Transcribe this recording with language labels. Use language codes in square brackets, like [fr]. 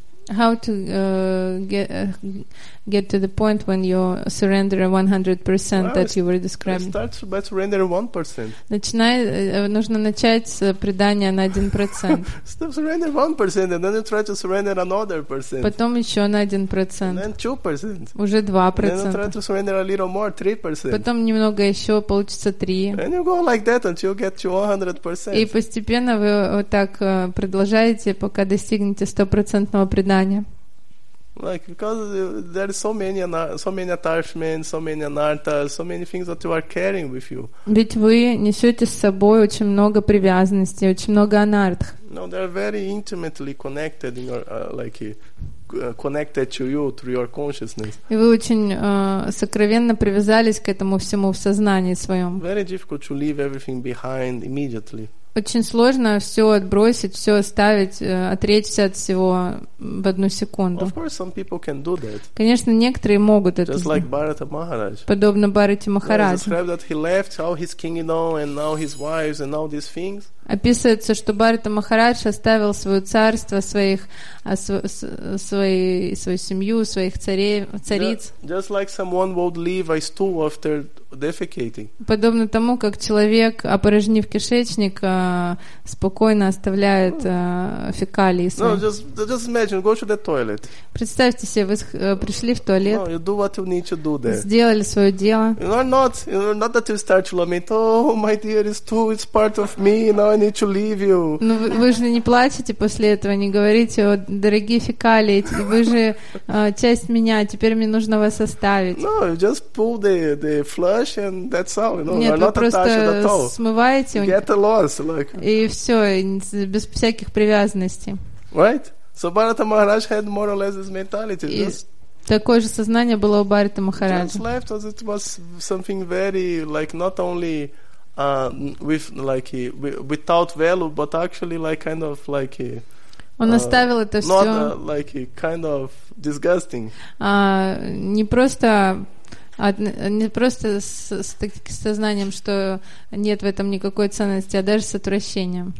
[en] How to get to the point when you surrender 100% that you were describing? Start by surrendering 1%. [ru] Нужно начать с предания на 1%. [en] Stop surrendering 1% and then you try to surrender another percent. [ru] Потом еще на 1%. [en] And then 2%. [ru] Уже 2%. [en] Then you try to surrender a little more, 3%. [ru] Потом немного еще, получится 3. [en] And you go like that until you get to 100%. [ru] И постепенно вы вот так продолжаете, пока достигнете 100% предания. [en] Like because there is so many attachments, so many anarthas, so many things that you are carrying with you. [ru] Ведь вы несете с собой очень много привязанностей, очень много анартх. [en] No, they are very intimately connected in your connected to you through your consciousness. [ru] И вы очень сокровенно привязались к этому всему в сознании своем. [en] Very difficult to leave everything behind immediately. [ru] очень сложно все отбросить, все оставить, отречься от всего в одну секунду. [en] Of course, some people can do that. [ru] Конечно, некоторые могут [en] just [ru] это сделать. [en] Like Bharata Maharaj. [ru] Подобно Бхарате Махараджу. [en] Described that he left all his kingdom and all his wives and all these things. [ru] Описывается, что Бхарата Махарадж оставил свое царство, своих, свою семью, своих цариц. [en] Just like someone would leave a stool after defecating. [ru] Подобно тому, как человек, опорожнив кишечник, спокойно оставляет фекалии свои. [en] No, just imagine, go to the toilet. [ru] Представьте себе, вы пришли в туалет. [en] No, you do what you need to do there. [ru] Сделали свое дело. [en] Not that you start to lament, oh, my dearest stool, it's part of me, now I need to leave you. [ru] Ну, вы же не плачете после этого, не говорите, о, дорогие фекалии, вы же часть меня, теперь мне нужно вас оставить. [en] No, you just pull the flush and that's all, you know. [ru] Нет, [en] not [ru] просто смываете. [en] Get lost, like. [ru] И все, без всяких привязанностей. [en] Right? So Bharata Maharaj had more or less this mentality. [ru] Такое же сознание было у Бхарата Махараджа. [en] Just left as it was something very, like, not only with like without value, but actually like kind of like [ru] он оставил это все [en] not like kind of disgusting. [ru] Не просто с сознанием, что нет в этом никакой ценности, а даже с отвращением.